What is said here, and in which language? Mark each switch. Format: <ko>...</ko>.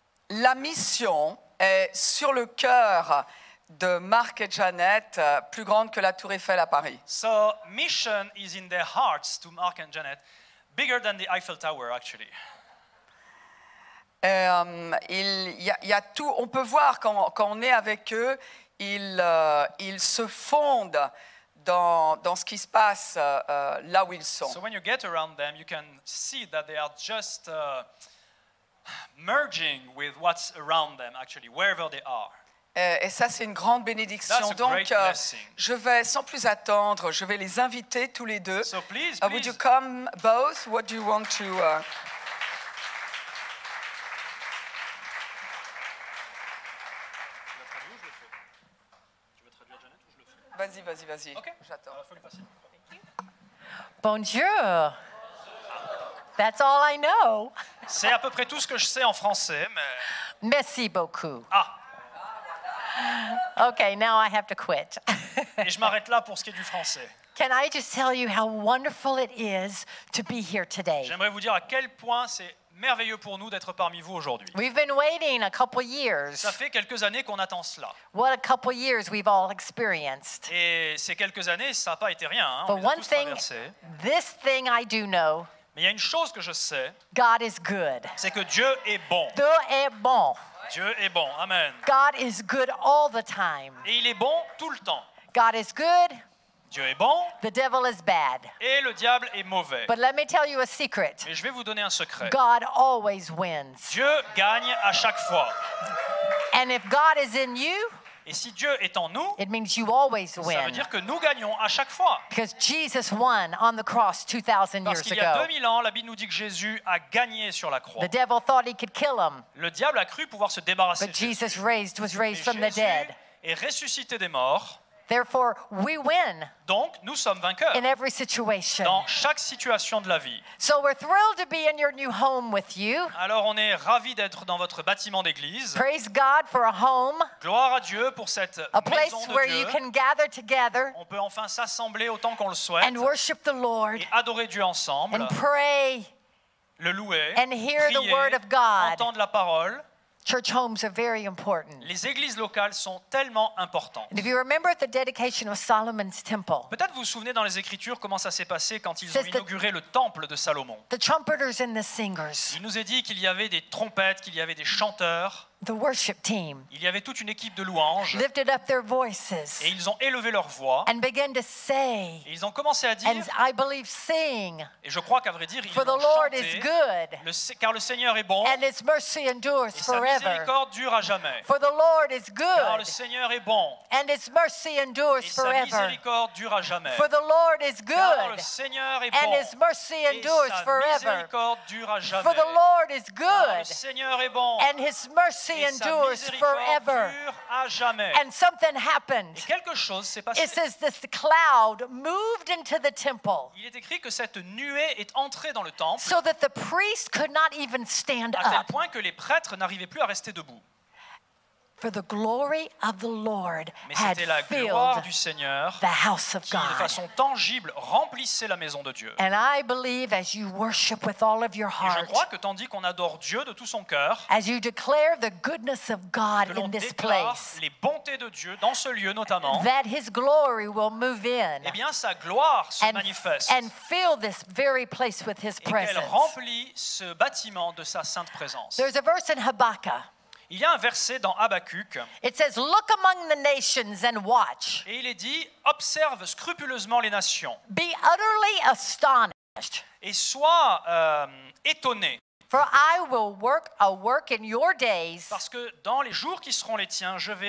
<fr>La mission est sur le cœur de Mark et Janet, plus grande que la Tour Eiffel à Paris.</fr> <en>So, mission is in their hearts to Mark and Janet, bigger than the Eiffel Tower, actually.</en> <fr>Il y a tout, on peut voir quand on est avec eux, ils se fondent dans ce qui se passe là où ils sont.</fr> <en>So, when you get around them, you can see that they are just merging with what's around them, actually, wherever they are.</en> <fr>Et ça, c'est une grande bénédiction. Donc, je vais, sans plus attendre, je vais les inviter tous les deux.</fr> <en>So please. Would you come both? What do you want to...</en> <fr>Vas-y.</fr> <en>Okay.</en> <fr>J'attends.</fr> <en>Bonjour. That's all I know.</en> <fr>C'est à peu près tout ce que je sais en français, mais... Merci beaucoup. Ah.</fr> <en>Okay, now I have to quit.</en> <fr>Et je m'arrête là pour ce qui est du français.</fr> <en>Can I just tell you how wonderful it is to be here today?</en> <fr>J'aimerais vous dire à quel point c'est merveilleux pour nous d'être parmi vous aujourd'hui.</fr> <en>We've been waiting a couple years.</en> <fr>Ça fait quelques années qu'on attend cela.</fr> <en>What a couple years we've all experienced.</en> <fr>Et ces quelques années, ça n'a pas été rien. Hein.</fr> <en>But one thing, this thing I do know.</en> <fr>Mais il y a une chose que je sais.</fr> <en>God is good.</en> <fr>C'est que Dieu est bon. Dieu est bon. Dieu est bon. Amen.</fr> <en>God is good all the time.</en> <fr>Et il est bon tout le temps.</fr> <en>God is good.</en> <fr>Dieu est bon.</fr> <en>The devil is bad.</en> <fr>Et le diable est mauvais.</fr> <en>But let me tell you a secret.</en> <fr>Mais je vais vous donner un secret.</fr> <en>God always wins.</en> <fr>Dieu gagne à chaque fois.</fr> <en>And if God is in you,</en> <fr>et si Dieu est en nous,</fr> <en>it means you always win.</en> <fr>Ça veut dire que nous gagnons à chaque fois.</fr> <en>Because Jesus won on the cross 2000 years ago.</en> <fr>Parce qu'il y a 2000 ans, la Bible nous dit que Jésus a gagné sur la croix.</fr> <en>The devil thought he could kill him.</en> <fr>Le diable a cru pouvoir se débarrasser de lui.</fr> <en>Jesus was raised from</en> <fr>Jésus</fr> <en>the dead.</en> <fr>Est ressuscité des morts.</fr> <en>Therefore, we win.</en> <fr>Donc, nous sommes vainqueurs.</fr> <en>In every situation.</en> <fr>Dans chaque situation de la vie.</fr> <en>So we're thrilled to be in your new home with you.</en> <fr>Alors, on est ravis d'être dans votre bâtiment d'église.</fr> <en>Praise God for a home.</en> <fr>Gloire à Dieu pour cette maison de Dieu.</fr> <en>A place where you can gather together.</en> <fr>On peut enfin s'assembler autant qu'on le souhaite.</fr> <en>And worship the Lord.</en> <fr>Et adorer Dieu ensemble.</fr> <en>And pray.</en> <fr>Le louer.</fr> <en>And hear</en> <fr>prier,</fr> <en>the word of God.</en> <fr>Entendre la parole.</fr> <en>Church homes are very important.</en> <fr>Les églises locales sont tellement importantes.</fr> <en>And if you remember at the dedication of Solomon's temple.</en> <fr>Peut-être vous vous souvenez dans les écritures comment ça s'est passé quand ils ont inauguré le temple de Salomon.</fr> <en>The trumpeters and the singers.</en> <fr>Il nous est dit qu'il y avait des trompettes, qu'il y avait des chanteurs.</fr> <en>The worship team.</en> <fr>Il y avait toute une équipe de louanges.</fr> <en>Lifted up their voices.</en> <fr>Et ils ont élevé leur voix.</fr> <en>And began to say.</en> <fr>Et ils ont commencé à dire.</fr> <en>And I believe sing.</en> <fr>Et je crois qu'à vrai dire, ils</fr> <en>for the Lord is good.</en> <fr>Car le Seigneur est bon.</fr> <en>And his mercy endures forever.</en> <fr>Et sa miséricorde dure à jamais.</fr> <en>For the Lord is good.</en> <fr>Car le Seigneur est bon.</fr> <en>And his mercy endures forever.</en> <fr>Et sa miséricorde dure à jamais.</fr> <en>For the Lord is good.</en> <fr>Car le Seigneur est bon.</fr> <en>And his mercy endures forever.</en> <fr>Et sa miséricorde dure à jamais.</fr> <en>For the Lord is good.</en> <fr>Car le Seigneur est bon.</fr> <en>And his mercy mercy endures forever. And something happened.</en> <fr>Et quelque chose s'est passé.</fr> <en>It says this cloud moved into the temple.</en> <fr>Il est écrit que cette nuée est entrée dans le temple.</fr> <en>So that the priests could not even stand up.</en> <fr>À tel point que les prêtres n'arrivaient plus à rester debout.</fr> <en>For the glory of the Lord</en> <fr>Mais c'était</fr> <en>had</en> <fr>la gloire</fr> <en>filled</en> <fr>du Seigneur</fr> <en>the house of</en> <fr>qui,</fr> <en>God.</en> <fr>De façon tangible, remplissait la maison de Dieu.</fr> <en>And I believe as you worship with all of your heart,</en> <fr>et je crois que tandis qu'on adore Dieu de tout son cœur,</fr> <en>as you declare the goodness of God</en> <fr>que l'on</fr> <en>in this place,</en> <fr>les bontés de Dieu dans ce lieu notamment,</fr> <en>that his glory will move in,</en> <fr>et bien sa gloire se manifeste,</fr> <en>and fill this very place with his presence.</en> <fr>Et qu'elle remplit ce bâtiment de sa sainte présence.</fr> <en>There's a verse in Habakkuk.</en> <fr>Il y a un verset dans Habakkuk.</fr> <en>It says, "Look among the nations and watch."</en> <fr>Et il est dit, observe scrupuleusement les nations.</fr> <en>Be utterly astonished.</en> <fr>Et sois étonné.</fr> <en>For I will work a work in your days.</en> <fr>Parce que dans les jours qui seront les tiens, je vais</fr>